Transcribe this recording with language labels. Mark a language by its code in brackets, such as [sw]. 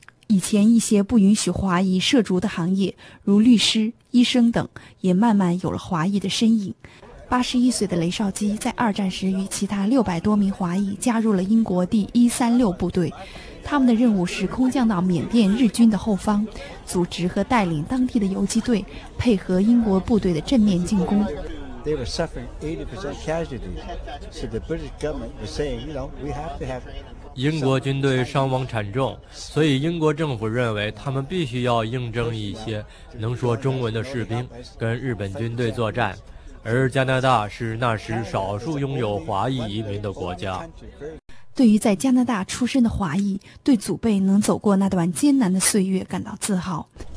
[zh] 以前一些不允许华裔涉足的行业，如律师、医生等，也慢慢有了华裔的身影。 81岁的雷少基在二战时与其他600多名华裔加入了英国第136部队，他们的任务是空降到缅甸日军的后方，组织和带领当地的游击队，配合英国部队的正面进攻。 [en] They were suffering 80% casualties, so the British government was saying, you know, we have to have. [zh] 英国军队伤亡惨重，所以英国政府认为他们必须要应征一些能说中文的士兵跟日本军队作战。而加拿大是那时少数拥有华裔移民的国家。对于在加拿大出生的华裔，对祖辈能走过那段艰难的岁月感到自豪。